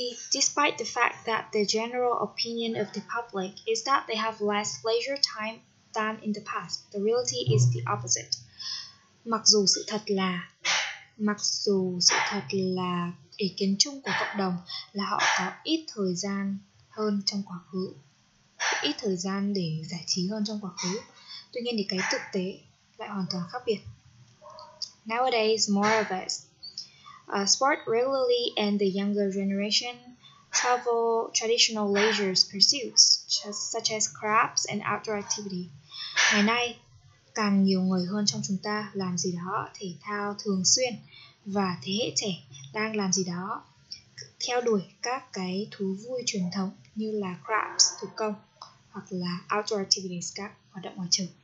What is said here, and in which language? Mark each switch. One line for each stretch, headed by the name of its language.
English: despite the fact that the general opinion of the public is that they have less leisure time than in the past, the reality is the opposite.
Vietnamese: Mặc dù sự thật là ý kiến chung của cộng đồng là họ có ít thời gian hơn trong quá khứ, ít thời gian để giải trí hơn trong quá khứ. Tuy nhiên thì cái thực tế lại hoàn toàn khác biệt.
English: Nowadays, more of us sport regularly, and the younger generation travel traditional leisure pursuits such as crafts and outdoor activity.
Vietnamese: Ngày nay, càng nhiều người hơn trong chúng ta làm gì đó thể thao thường xuyên, và thế hệ trẻ đang làm gì đó theo đuổi các cái thú vui truyền thống như là crafts, thủ công, hoặc là outdoor activities, các hoạt động ngoài trời.